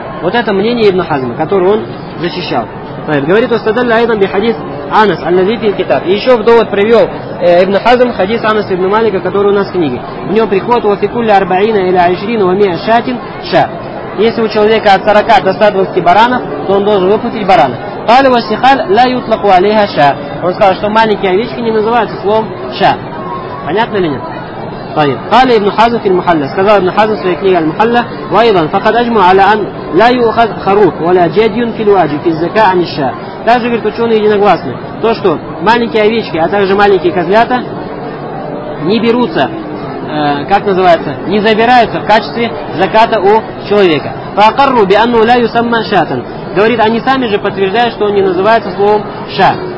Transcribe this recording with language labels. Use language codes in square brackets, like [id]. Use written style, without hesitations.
[ru] Вот это мнение Ибн Хазма, которое он защищал. Говорит, что [ar] стадаль айдам би хадис Анас, аль-лази фи китаб. [ru] И еще в довод привел Ибн Хазм хадис Анас ибн Малика, который у нас в книге. В нем приход [ar] «Ва фи кулли арбаина или айшрина ва миа шатин ша». [ru] Если у человека от 40 до 120 баранов, то он должен выплатить баранов. [ar] قالوا السخال لا يطلق عليها شاء. [ru] Он сказал, что маленькие овечки не называются словом ша. Понятно ли нет? طيب. [ar] قال ابن حزم في المحلة. [ru] Сказал ابن حزم в своей книге المحلة. [ar] وأيضا فقد أجمع على أن لا يؤخذ خروف ولا جدي في الواجب في الزكاة عن الشاء. [ru] Также говорит ученые единогласны. То, что маленькие овечки, а также маленькие козлята не берутся, как называется, не забираются в качестве заката у человека. [ar] فأقروا بأنه لا يسمى شاتا. [ru] Говорит, они сами же подтверждают, что он не называется словом «ша».